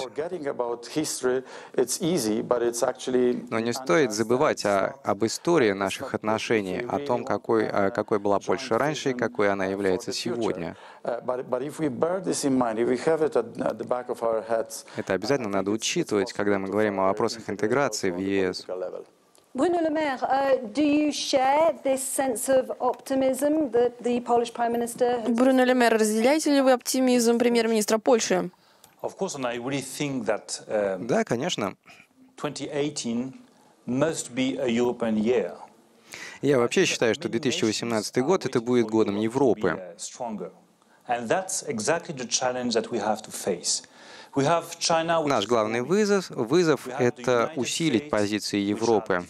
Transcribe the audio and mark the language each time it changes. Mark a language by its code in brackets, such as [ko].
[ru] Но не стоит забывать об истории наших отношений, о том, какой была Польша раньше и какой она является сегодня. Это обязательно надо учитывать, когда мы говорим о вопросах интеграции в ЕС. [en] Bruno Le Maire, do you share this sense of optimism that the Polish Prime Minister has? [ru] Bruno Le Maire, разделяете ли вы оптимизм премьер-министра Польши? [en] Of course, and I really think that. [ru] Да, конечно. [en] 2018 must be a European year. [ru] Я вообще считаю, что 2018 год это будет годом Европы. [en] And that's exactly the challenge that we have to face. We have China. [ru] Наш главный вызов — это усилить позиции Европы.